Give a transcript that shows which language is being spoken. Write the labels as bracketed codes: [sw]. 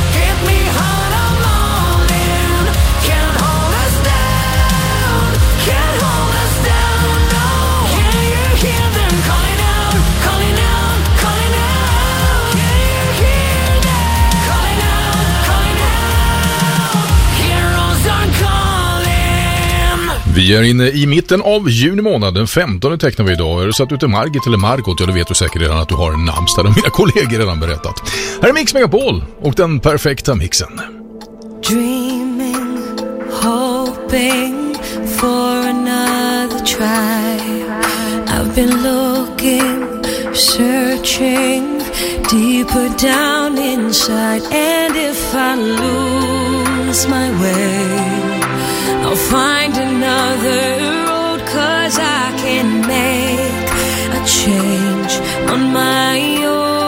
[en] Hit me hard, I'm all in. Can't hold us down, can't hold us down, no. Can you hear them calling out, calling out, calling out? Can you hear them calling out, calling out? Heroes are calling. [sv] Vi är inne i mitten av juni månad, den 15 tecknar vi idag. Är du satt ute Margit eller Margot? Ja, det vet du säkert redan att du har en namnsdag, det har mina kollegor redan berättat. Här är Mix Megapol och den perfekta mixen. [en] Dreaming, hoping for another try. I've been looking, searching deeper down inside. And if I lose my way, I'll find another road, 'cause I can make a change on my own.